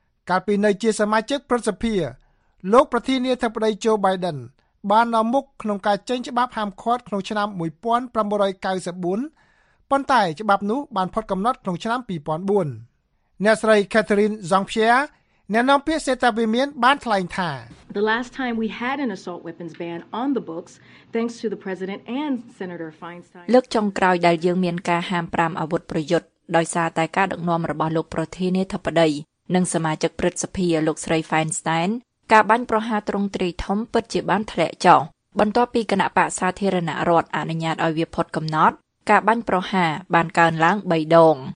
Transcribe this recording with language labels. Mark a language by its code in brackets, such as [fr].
[km] កាលពីនៅជាសមាជិកព្រឹទ្ធសភាលោកប្រធានាធិបតីជូបៃដិនបាននាំមុខក្នុងការចេញច្បាប់ហាមឃាត់ក្នុងឆ្នាំ1994ប៉ុន្តែច្បាប់នោះបានផុតកំណត់ក្នុងឆ្នាំ2004អ្នកស្រី Catherine Jean-Pierre អ្នកនាំពាក្យសេតាវីមានបានថ្លែងថា [en] The last time we had an assault weapons ban on the books thanks to the president and Senator Feinstein [km] លោកចុងក្រោយដែលយើងមានការហាមប្រាមអាវុធប្រយុទ្ធដោយសារតែការដឹកនាំរបស់លោកប្រធានាធិបតីនិងសមាជិកព្រឹទ្ធសភាលោកស្រី Feinstein ការបាញ់ប្រហារទ្រង់ទ្រាយធំពិតជាបានធ្លាក់ចុះបន្ទាប់ពីគណៈបក្សសាធារណរដ្ឋអនុញ្ញាតឲ្យវាផុតកំណត់ការបាញ់ប្រហារបានកើនឡើង3ដង